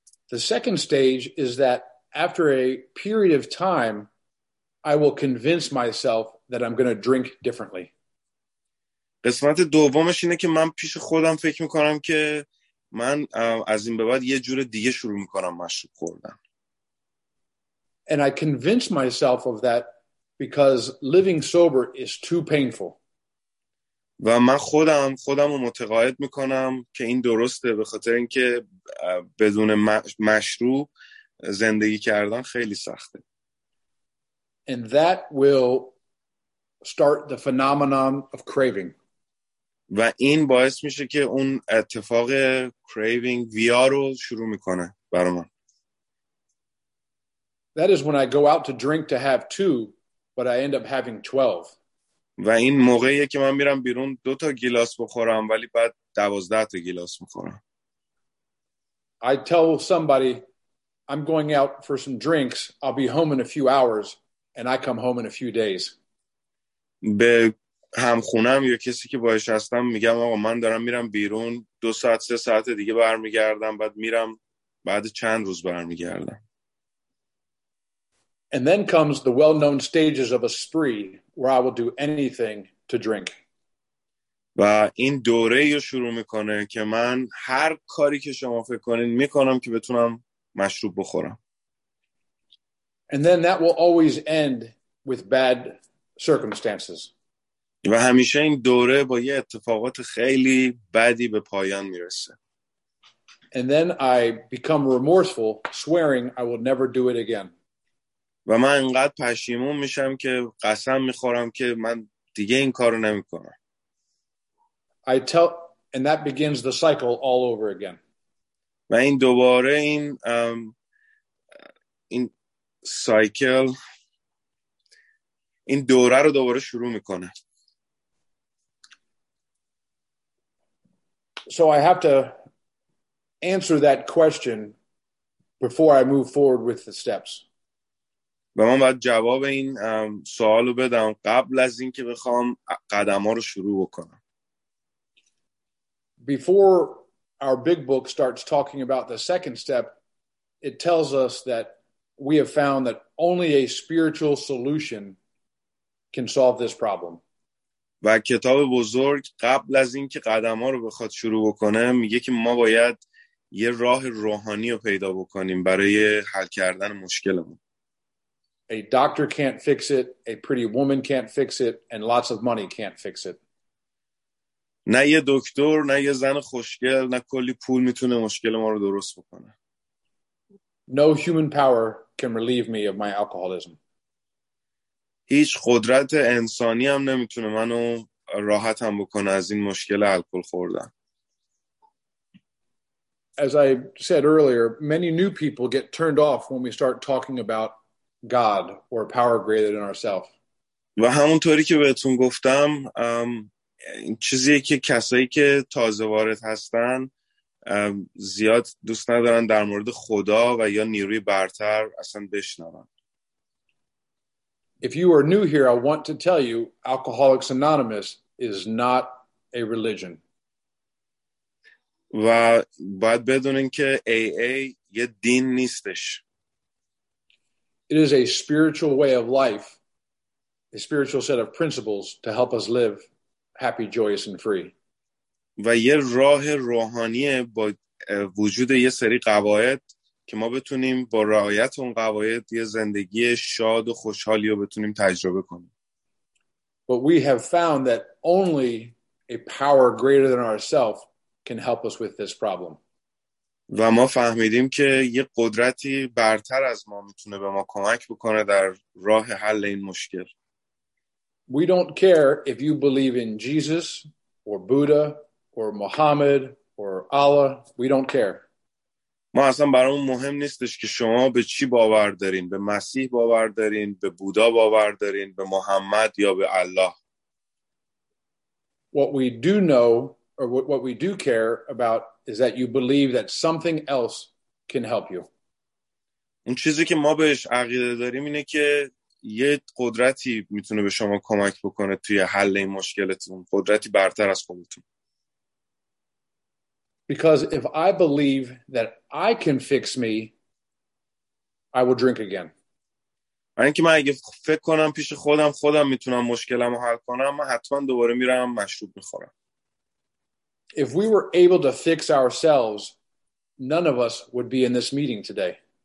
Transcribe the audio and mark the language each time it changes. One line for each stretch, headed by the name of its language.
English: The second stage is that after a period of time I will convince myself that I'm going to drink differently.
Persian: قسمت دومش اینه که من پیش خودم فکر میکنم که من از این به بعد یه جور دیگه شروع میکنم مشروب خوردن.
English: And I convince myself of that because living sober is too painful.
Persian: و من خودم رو متقاعد میکنم که این درسته به خاطر اینکه بدون مشروب زندگی کردن خیلی سخته.
English: And that will start the phenomenon of craving.
Persian: و این باعث میشه که اون اتفاق craving ویا رو شروع میکنه برام.
English: That is when I go out to drink to have two, but I end up having 12.
Persian: و این موقعیه که من میرم بیرون دو تا گلاس بخورم ولی بعد 12 تا گلاس میخورم.
English: I tell somebody I'm going out for some drinks, I'll be home in a few hours. And I come home in a few days.
Persian: به همخونم یا کسی که باهاش هستم میگم آقا من دارم میرم بیرون دو ساعت سه ساعت دیگه برمیگردم بعد میرم بعد چند روز برمیگردم.
English: And then comes the well-known stages of a spree where I will do anything to drink.
Persian: و این دوره رو شروع میکنه که من هر کاری که شما فکر کنین میکنم که بتونم مشروب بخورم.
English: And then that will always end with bad circumstances.
Persian: و همیشه این دوره با یه اتفاقات خیلی بدی به پایان میرسه.
English: And then I become remorseful, swearing I will never do it again.
Persian: و من انقدر پشیمون میشم که قسم میخورم که من دیگه این کارو نمیکنم.
English: And that begins the cycle all over again.
Persian: و این دوباره این سایکل این دوره رو دوباره شروع میکنه.
English: So I have to answer that question before I move forward with the steps.
Persian: و من باید جواب این سوال رو بدم قبل از این که بخوام قدم ها رو شروع بکنم.
English: Before our big book starts talking about the second step, it tells us that we have found that only a spiritual solution can solve this problem.
Persian: و کتاب بزرگ قبل از اینکه قدم‌ها رو بخواد شروع بکنه میگه که ما باید یه راه روحانی رو پیدا بکنیم برای حل کردن مشکلمون.
English: A doctor can't fix it, a pretty woman can't fix it, and lots of money can't fix it.
Persian: نه یه دکتر، نه یه زن خوشگل، نه کلی پول میتونه مشکل ما رو درست بکنه.
English: No human power can relieve me of my alcoholism.
Persian: هیچ قدرت انسانی هم نمیتونه منو راحت هم بکنه از این مشکل الکل خوردن.
English: As I said earlier, many new people get turned off when we start talking about God or power greater than ourselves.
Persian: و همونطوری که بهتون گفتم چیزی که کسایی که تازه وارد هستن زیاد دوست ندارن در مورد خدا و یا نیروی برتر اصلا بشنون.
English: If you are new here, I want to tell you Alcoholics Anonymous is not a religion.
Persian: و باید بدونین که AA یه دین نیستش.
English: It is a spiritual way of life, a spiritual set of principles to help us live happy, joyous and free.
Persian: و یه راه روحانیه با وجود یه سری قواعد که ما بتونیم با رعایت اون قواعد یه زندگی شاد و خوشحالی رو بتونیم تجربه کنیم.
English: But we have found that only a power greater than ourselves can help us with this problem.
Persian: و ما فهمیدیم که یه قدرتی برتر از ما میتونه به ما کمک بکنه در راه حل این مشکل.
English: We don't care if you believe in Jesus or Buddha or Muhammad or Allah, we don't care.
Persian: ما اصلا برامون مهم نیستش که شما به چی باور دارین، به مسیح باور دارین، به بودا باور دارین، به محمد یا به الله.
English: What we do know or what we do care about is that you believe that something else can help you.
Persian: اون چیزی که ما بهش عقیده داریم اینه که یه قدرتی میتونه به شما کمک بکنه توی حل این مشکلتون، قدرتی برتر از خودتون.
English: Because if I believe that I can fix me, I will drink again.
Persian: من اینکه من اگه فکر کنم پیش خودم میتونم مشکلم رو حل کنم، من حتما دوباره میرم مشروب میخورم.
English: If we were able to fix ourselves, none of us would be in this meeting today.